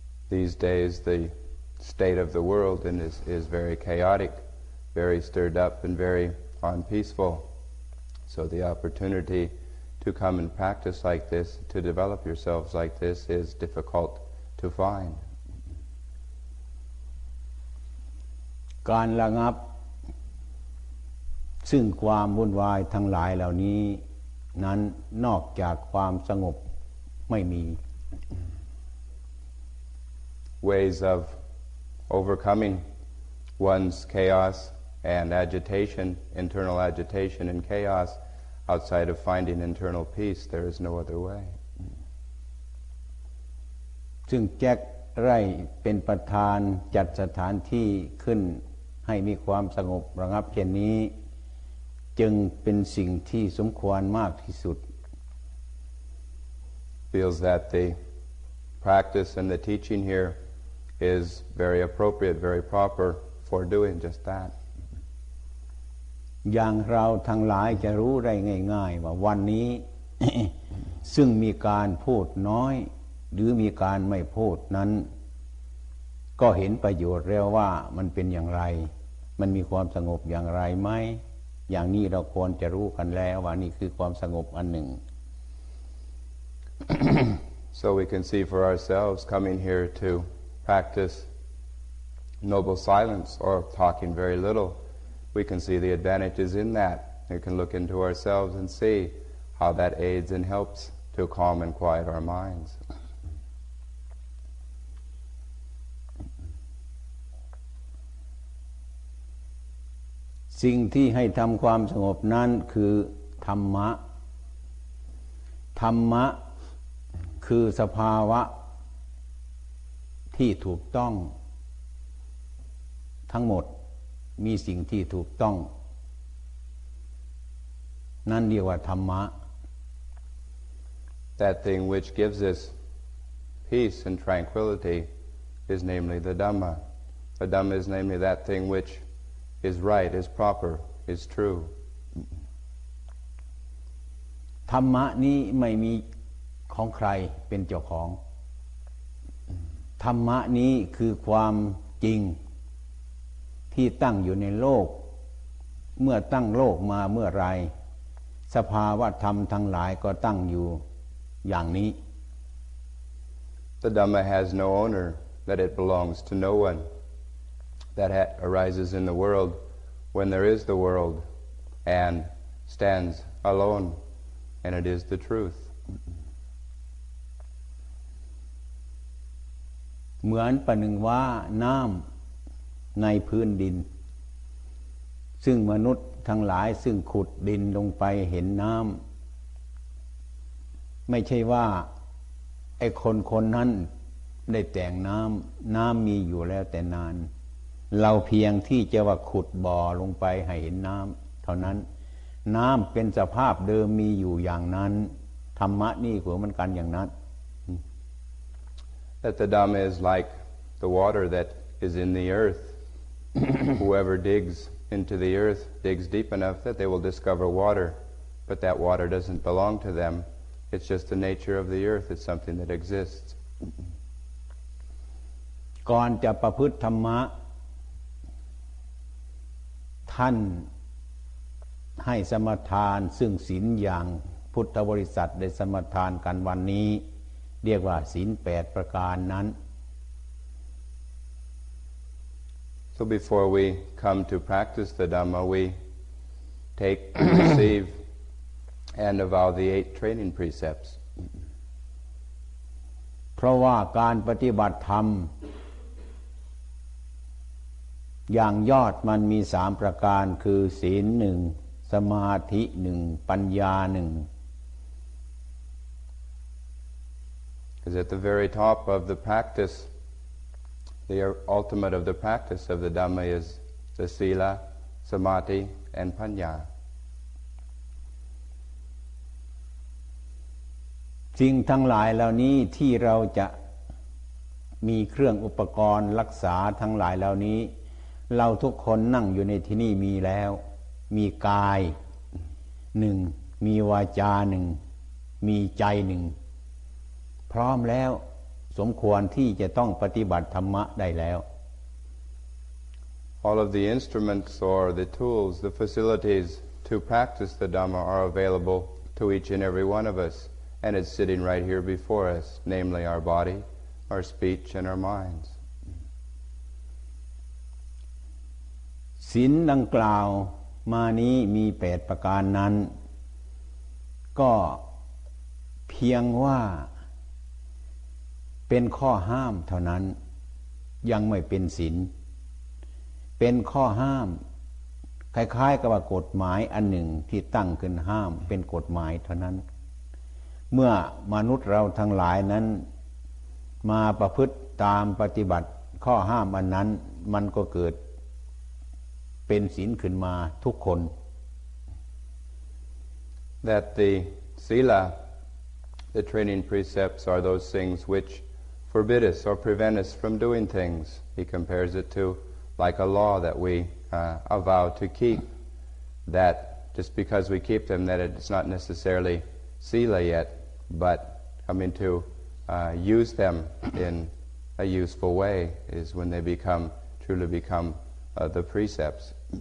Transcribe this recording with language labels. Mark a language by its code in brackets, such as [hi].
[en] These days the state of the world is very chaotic very stirred up and very unpeaceful so the opportunity to come and practice like this to develop yourselves like this is difficult to find [th] การระงับซึ่งความวุ่นวายทั้งหลายเหล่านี้นั้นนอกจากความสงบไม่มี [en] ways of overcoming one's chaos and agitation internal agitation and chaos outside of finding internal peace there is no other way [th] ซึ่งแจ็คไร่เป็นประธานจัดสถานที่ขึ้นให้มีความสงบระงับเช่นนี้จึงเป็นสิ่งที่สมควรมากที่สุด [en] feels that the practice and the teaching here is very appropriate very proper for doing just that [th] อย่างเราทั้งหลายจะรู้ได้ง่ายๆว่าวันนี้ ซึ่งมีการพูดน้อยหรือมีการไม่พูดนั้นก็เห็นประโยชน์แล้วว่ามันเป็นอย่างไรมันมีความสงบอย่างไรไหมอย่างนี้เราควรจะรู้กันแล้วว่านี่คือความสงบอันหนึ่ง [en] So we can see for ourselves coming here to practice noble silence or talking very little we can see the advantages in that we can look into ourselves and see how that aids and helps to calm and quiet our minds [th] สิ่งที่ให้ทำความสงบนั้นคือธรรมะธรรมะคือสภาวะที่ถูกต้องทั้งหมดมีสิ่งที่ถูกต้องนั่นเรียกว่าธรรมะ [en] That thing which gives us peace and tranquility is namely the Dhamma. The Dhamma is namely that thing which is right, is proper, is true. [th] ธรรมะนี้ไม่มีของใครเป็นเจ้าของธรรมะนี้คือความจริงที่ตั้งอยู่ในโลกเมื่อตั้งโลกมาเมื่อไรสภาวะธรรมทั้งหลายก็ตั้งอยู่อย่างนี้ [en] The Dhamma has no owner, that it belongs to no one. That arises in the world when there is the world and stands alone, and it is the truth. [th] เหมือนประหนึ่งว่าน้ำในพื้นดินซึ่งมนุษย์ทั้งหลายซึ่งขุดดินลงไปเห็นน้ำไม่ใช่ว่าไอ้คนคนนั้นได้แต่งน้ำน้ำมีอยู่แล้วแต่นานเราเพียงที่จะว่าขุดบ่อลงไปให้เห็นน้ำเท่านั้นน้ำเป็นสภาพเดิมมีอยู่อย่างนั้นธรรมะนี่ก็เหมือนกันอย่างนั้น [en] That the Dhamma is like the water that is in the earth whoever digsinto the earth digs deep enough that they will discover water but that water doesn't belong to them it's just the nature of the earth it's something that exists [th] ก่อนจะประพฤติธรรมะท่านให้สมาทานซึ่งศีลอย่างพุทธบริษัทได้สมาทานกันวันนี้เรียกว่าศีล8ประการนั้น [en] So before we come to practice the Dhamma, we take, receive, and avow the 8 training precepts. [th] เพราะว่าการปฏิบัติธรรมอย่างยอดมันมี3ประการคือศีล1สมาธิ1ปัญญา1 [en] Because at the very top of the practiceThe ultimate of the practice of the Dhamma is the Sila, Samadhi, and Panya. [th] สิ่งทั้งหลายเหล่านี้ที่เราจะมีเครื่องอุปกรณ์รักษาทั้งหลายเหล่านี้เราทุกคนนั่งอยู่ในที่นี่มีแล้วมีกาย1มีวาจา1มีใจ1พร้อมแล้วสมควรที่จะต้องปฏิบัติธรรมะได้แล้ว [en] All of the instruments or the tools, the facilities to practice the Dhamma are available to each and every one of us, and it's sitting right here before us, namely our body, our speech, and our minds. [th] ศีลดังกล่าวมานี้มี8ประการนั้นก็เพียงว่าเป็นข้อห้ามเท่านั้นยังไม่เป็นศีล เป็นข้อห้ามคล้ายๆกับกฎหมายอันหนึ่งที่ตั้งขึ้นห้ามเป็นกฎหมายเท่านั้นเมื่อมนุษย์เราทั้งหลายนั้นมาประพฤติตามปฏิบัติข้อห้ามอันนั้นมันก็เกิดเป็นศีลขึ้นมาทุกคน [en] That the Sila the training precepts are those things whichForbid us or prevent us from doing things. He compares it to like a law that we avow to keep. That just because we keep them, that it's not necessarily sila yet, but coming to use them in a useful way is when they become truly become the precepts.